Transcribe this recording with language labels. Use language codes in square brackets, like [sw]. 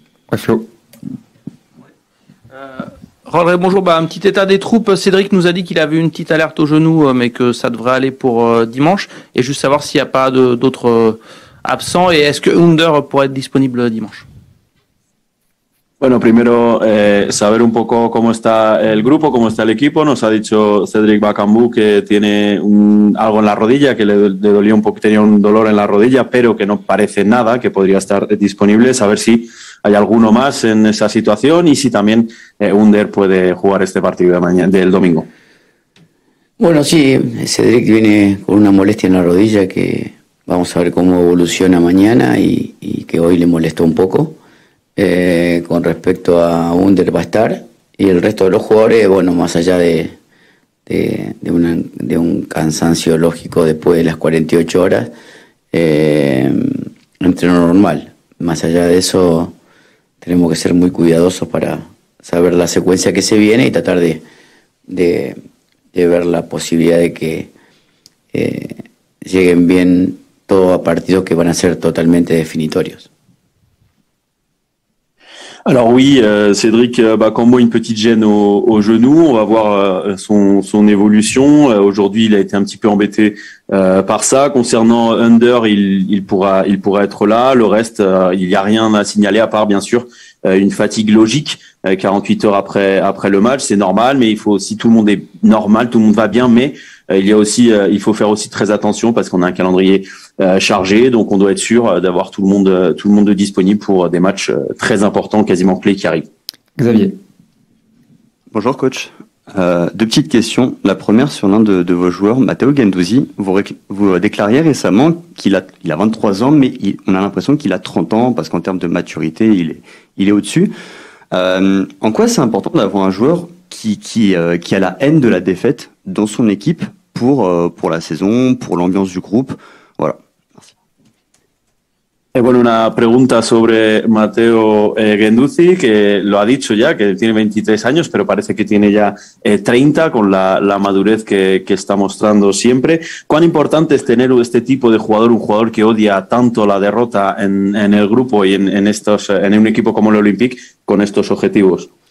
[fr] Ouais, Flo. Rodré, bonjour. Bah, un petit état des troupes. Cédric nous a dit qu'il avait une petite alerte au genou, mais que ça devrait aller pour dimanche. Et juste savoir s'il n'y a pas d'autres absents. Et est-ce que Under pourrait être disponible dimanche? [es] Bueno, primero saber un poco cómo está el grupo, cómo está el equipo. Nos ha dicho Cédric Bacambú que tiene algo en la rodilla, que le dolía un poco, tenía un dolor en la rodilla, pero que no parece nada, que podría estar disponible. Saber si hay alguno más en esa situación y si también Under puede jugar este partido del domingo. Bueno, sí, Cédric viene con una molestia en la rodilla que vamos a ver cómo evoluciona mañana y que hoy le molestó un poco. Con respecto a Under va a estar y el resto de los jugadores, bueno, más allá de un cansancio lógico después de las 48 horas, entreno normal. Más allá de eso, tenemos que ser muy cuidadosos para saber la secuencia que se viene y tratar de ver la posibilidad de que lleguen bien todos a partidos que van a ser totalmente definitorios. [fr] Alors oui, Cédric Bacambo, une petite gêne au genou. On va voir son évolution. Aujourd'hui, il a été un petit peu embêté par ça. Concernant Under, il pourra être là. Le reste, il n'y a rien à signaler à part, bien sûr, une fatigue logique 48 heures après le match. C'est normal, mais il faut aussi, tout le monde est normal, tout le monde va bien, mais il faut faire aussi très attention parce qu'on a un calendrier chargé, donc on doit être sûr d'avoir tout le monde disponible pour des matchs très importants, quasiment clés qui arrivent. Xavier. Bonjour coach. Deux petites questions. La première sur l'un de vos joueurs, Matteo Guendouzi. Vous déclariez récemment qu'il a 23 ans, mais on a l'impression qu'il a 30 ans parce qu'en termes de maturité, il est au-dessus. En quoi c'est important d'avoir un joueur qui a la haine de la défaite dans son équipe pour la saison, pour l'ambiance du groupe? Voilà. [es] Es bueno, una pregunta sobre Matteo Guendouzi, que lo ha dicho ya, que tiene 23 años, pero parece que tiene ya 30 con la madurez que está mostrando siempre. ¿Cuán importante es tener este tipo de jugador, un jugador que odia tanto la derrota en el grupo y en un equipo como el Olympique, con estos objetivos?